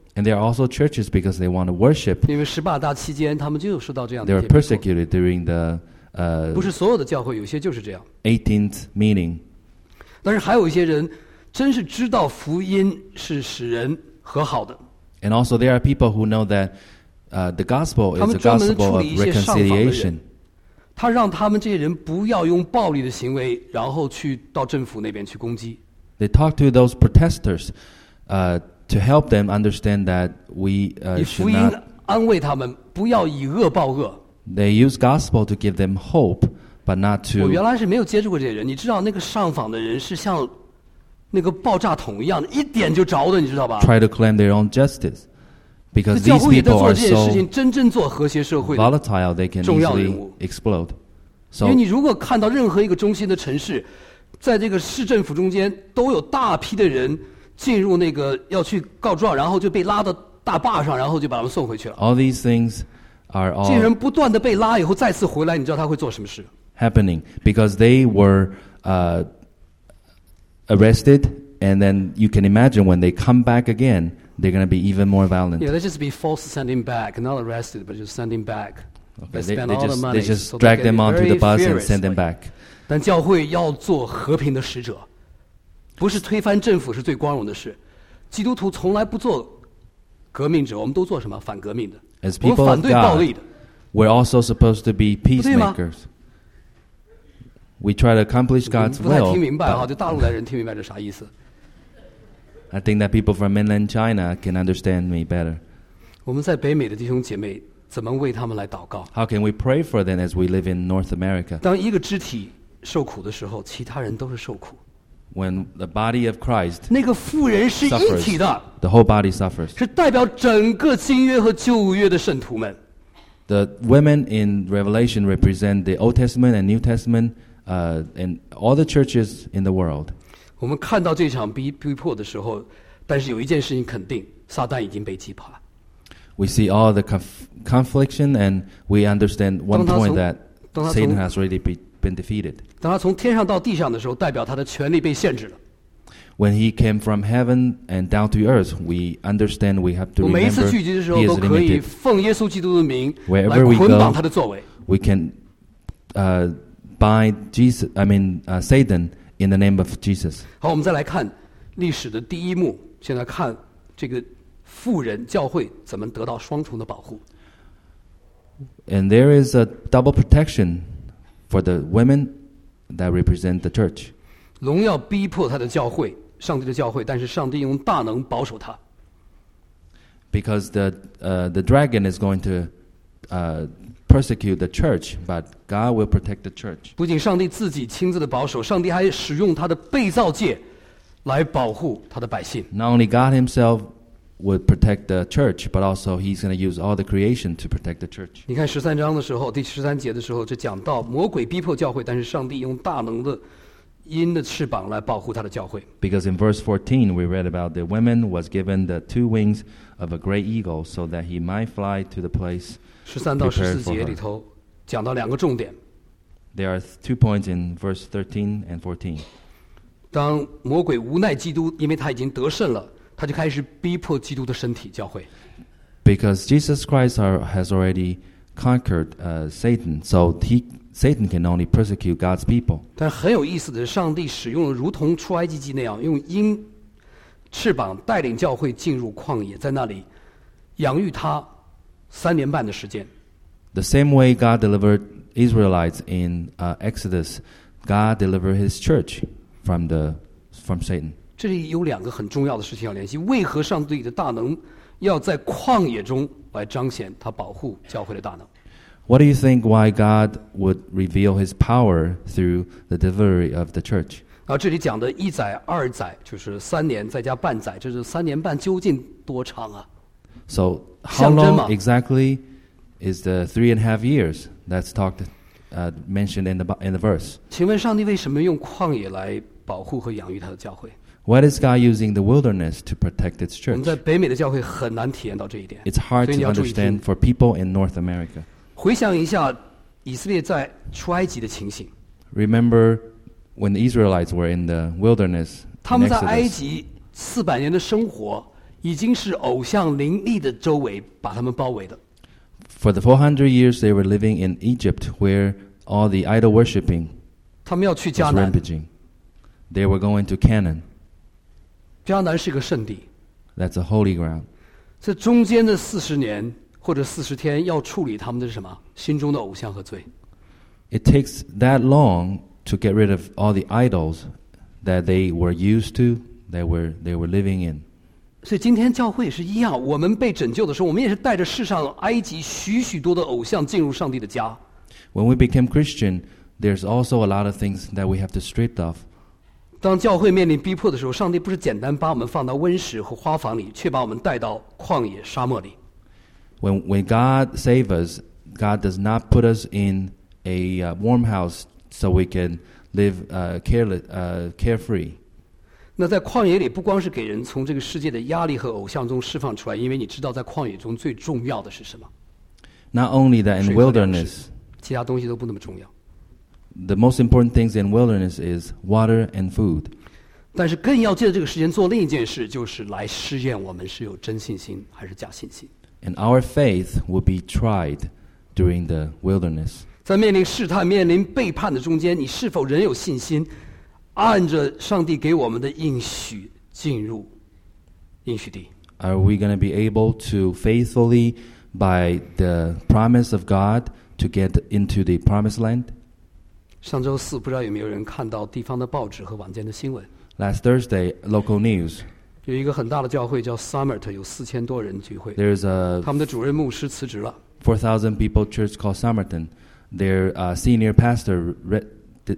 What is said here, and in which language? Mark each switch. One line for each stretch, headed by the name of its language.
English: And there are also churches because they want to worship.
Chinese: 因为十八大期间，他们就受到这样的逼迫。
English: They were persecuted during the
Chinese: 不是所有的教会，有些就是这样。
English: 18th meeting.
Chinese: 但是还有一些人真是知道福音是使人和好的。
English: And also there are people who know that the gospel is a gospel of reconciliation.
Chinese: 他让他们这些人不要用暴力的行为，然后去到政府那边去攻击。
English: They talk to those protesters, to help them understand that we should not.
Chinese: 以福音安慰他们，不要以恶报恶。
English: They use gospel to give them hope, but not to.
Chinese: 我原来是没有接触过这些人，你知道那个上访的人是像那个爆炸筒一样的，一点就着的，你知道吧
English: ？Try to claim their own justice. Because these people are so volatile, they can easily explode.
Chinese: So, 因为你如果看到任何一个中心的城市，在这个市政府中间都有大批的人进入那个要去告状，然后就被拉到大坝上，然后就把他们送回去了。
English: All these things are all.
Chinese: 这人不断的被拉以后再次回来，你知道他会做什么事
English: ？Happening because they were arrested, and then you can imagine when they come back again. They're going to be even more violent. Yeah, they just be false sending back, not arrested, but just sending back. Okay, they just, the money, they just so drag them onto the bus and send them back.
Chinese: 但教会要做和平的使者，不是推翻政府是最光荣的事。基督徒从来不做革命者，我们都做什么？反革命的。
English: As people of God, we're also supposed to be peacemakers. We try to accomplish God's will.
Chinese: 不太听明白哈，就大陆来人听明白这啥意思。
English: I think that people from mainland China can understand me better.
Chinese: 我们在北美的弟兄姐妹怎么为他们来祷告
English: ？How can we pray for them as we live in North America?
Chinese: 当一个肢体受苦的时候，其他人都是受苦。
English: When the body of Christ
Chinese: 那个妇人是一体的
English: ，the whole body suffers
Chinese: 是代表整个新约和旧约的圣徒们。
English: The women in Revelation represent the Old Testament and New Testament, and all the churches in the world.
Chinese: 我们看到这场逼迫的时候，但是有一件事情肯定，撒旦已经被击垮了。
English: We see all the confliction, and we understand one point that Satan has already been defeated.
Chinese: 当他从天上到地上的时候，代表他的权力被限制了。
English: When he came from heaven and down to earth, we understand we have to remember he is limited.
Chinese: 每一次聚集的时候，都可以奉耶稣基督的名来捆绑他的作为。
English: We can bind Jesus. I mean Satan. In the name of Jesus.
Chinese: 好，我们再来看历史的第一幕。现在看这个妇人教会怎么得到双重的保护。
English: And there is a double protection for the women that represent the church.
Chinese: 龙要逼迫他的教会，上帝的教会，但是上帝用大能保守他。
English: Because the dragon is going to persecute the church, but God will protect the church.
Chinese: 不仅上帝自己亲自的保守，上帝还使用他的被造界来保护他的百姓。
English: Not only God himself would protect the church, but also he's going to use all the creation to protect the church.
Chinese: 你看十三章的时候，第十三节的时候，就讲到魔鬼逼迫教会，但是上帝用大能的鹰的翅膀来保护他的教会。
English: Because in verse 14, we read about the women was given the two wings of a great eagle so that he might fly to the place prepared for her.
Chinese: 13 到14节里头讲到两个重点。
English: There are two points in verse 13 and 14.
Chinese: 当魔鬼无奈基督，因为他已经得胜了，他就开始逼迫基督的身体教会。
English: Because Jesus Christ has already conquered Satan, so Satan can only persecute God's people.
Chinese: 但很有意思的是，上帝使用了如同出埃及记那样，用鹰翅膀带领教会进入旷野，在那里养育他三年半的时间。
English: The same way God delivered Israelites in Exodus, God delivered His church from Satan.
Chinese: 这里有两个很重要的事情要联系：为何上帝的大能要在旷野中来彰显他保护教会的大能？
English: What do you think why God would reveal his power through the delivery of the church?
Chinese: 这里讲的一载二载就是三年再加半载，这是三年半究竟多长啊？
English: So how long exactly is the 3.5 years that's mentioned in the verse?
Chinese: 请问上帝为什么用旷野来保护和养育他的教会？
English: Why is God using the wilderness to protect its church?
Chinese: 我们在北美的教会很难体验到这一点。
English: It's hard to understand for people in North America.
Chinese: 回想一下以色列在出埃及的情形。
English: Remember when the Israelites were in the wilderness.
Chinese: 他们在埃及四百年的生活已经是偶像林立的周围把他们包围的。
English: For the 400 years they were living in Egypt where all the idol worshipping was rampaging. They were going to Canaan.
Chinese: 迦南是个圣地。
English: That's a holy ground.
Chinese: 这中间的40年或者40天要处理他们的是什么心中的偶像和罪。
English: It takes that long to get rid of all the idols that they were used to, that they were living in.
Chinese: 所以今天教会也是一样，我们被拯救的时候，我们也是带着世上埃及许许多的偶像进入上帝的家。
English: When we became Christian, there's also a lot of things that we have to strip off.
Chinese: 当教会面临逼迫的时候，上帝不是简单把我们放到温室和花房里，却把我们带到旷野沙漠里。
English: When God saves us, God does not put us in a warm house so we can live carefree.
Chinese: 那在旷野里不光是给人从这个世界的压力和偶像中释放出来，因为你知道在旷野中最重要的是什么。
English: Not only that in wilderness,
Chinese: 其他东西都不那么重要。
English: The most important things in wilderness is water and food.
Chinese: 但是更要借着这个时间做另一件事，就是来试验我们是有真信心还是假信心。
English: And our faith will be tried during the wilderness.
Chinese: 在面临试探、面临背叛的中间，你是否仍有信心，按着上帝给我们的应许进入应许地？
English: Are we going to be able to faithfully, by the promise of God, to get into the promised land?
Chinese: 上周四，不知道有没有人看到地方的报纸和晚间的新闻。
English: Last Thursday, local news.
Chinese: 有一个很大的教会叫 Summit， 有4000多人聚会。
English: There's a
Chinese: 他们的主任牧师辞职了。
English: 4,000 people church called Summerton. Their senior pastor resigned.